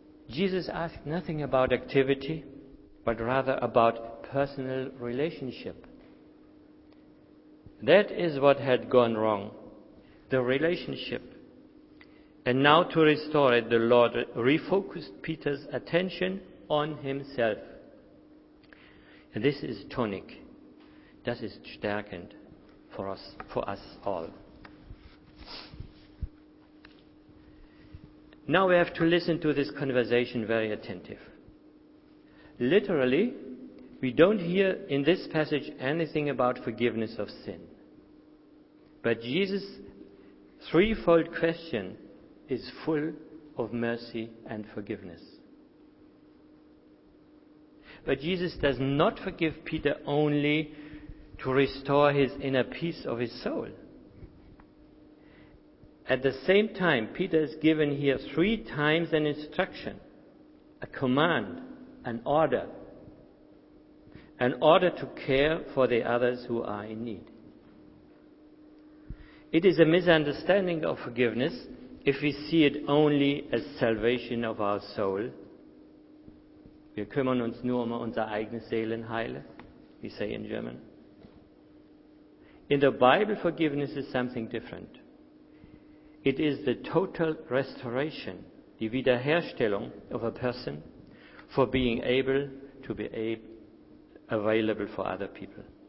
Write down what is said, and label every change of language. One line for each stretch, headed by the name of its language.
English: Jesus asked nothing about activity, but rather about personal relationship. That is what had gone wrong, the relationship. And now to restore it, the Lord refocused Peter's attention on himself. And this is tonic.
German: Das ist stärkend
English: for us all. Now we have to listen to this conversation very attentive. Literally, we don't hear in this passage anything about forgiveness of sin. But Jesus' threefold question is full of mercy and forgiveness. But Jesus does not forgive Peter only to restore his inner peace of his soul. At the same time, Peter is given here three times an instruction, a command, an order to care for the others who are in need. It is a misunderstanding of forgiveness if we see it only as salvation of our soul.
German: Wir kümmern uns nur um unser eigenes Seelenheil,
English: we say in German. In the Bible, forgiveness is something different. It is the total restoration,
German: die Wiederherstellung
English: of a person for being able to be available for other people.